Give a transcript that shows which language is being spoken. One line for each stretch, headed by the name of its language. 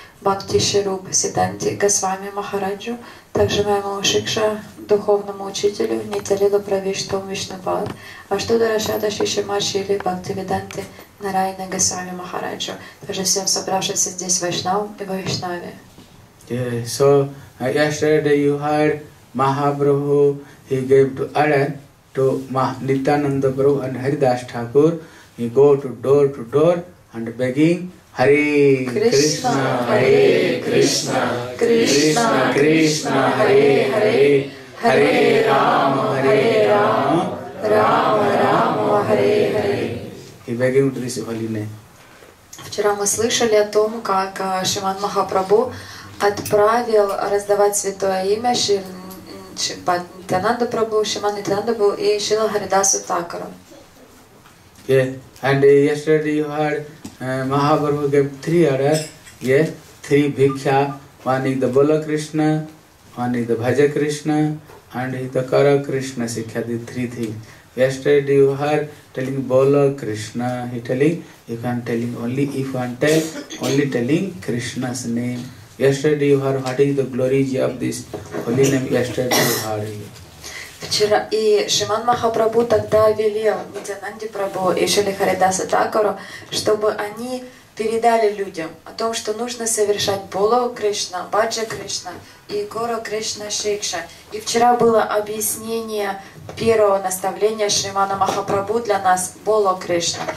Russian: Бхакти Шируп Сиданти Госвами Махараджу, также моему Шикша, духовному учителю, Нитялилу Правиштум Вишнупад, Аштуда Рашада Шишима Шили Бхакти Виданти Нарайна Госвами Махараджу, также всем собравшимся здесь Вайшнав и Вайшнаве.
English: So, yesterday you heard Mahaprabhu, he gave to Aran, to Nityananda Prabhu and Haridas Thakur, he go to door and begging, Hare Krishna,
Sanskrit: Hare Krishna, Krishna Krishna, Hare Hare, Hare Rama, Hare Rama, Rama Rama, Hare Hare.
English: He begging to this holy name.
Russian: Вчера мы слышали о том, как Шриман Махапрабху отправил раздавать святое имя Нитянанда Прабху, Шриман Нитянанда Прабху и Шрила Харидасу Такуру.
English: Yeah, and yesterday you heard Mahaprabhu gave three orders. Yeah, three bhikkha. One is the Bola Krishna, one is the Bhaja Krishna, and the Kara Krishna Sikha, the three things. Yesterday you heard telling Bola Krishna, he telling, you can telling only if you want tell, only telling Krishna's name. Yesterday you heard what is the glory of this holy name. Yesterday you heard it.
Russian: Вчера и Шриман Махапрабху тогда велел Нитянанде Прабху и Шриле Харидасу Такуру, чтобы они передали людям о том, что нужно совершать Боло Кришна, Баджа Кришна и Гора Кришна Шикша. И вчера было объяснение первого наставления Шримана Махапрабху для нас Боло Кришна.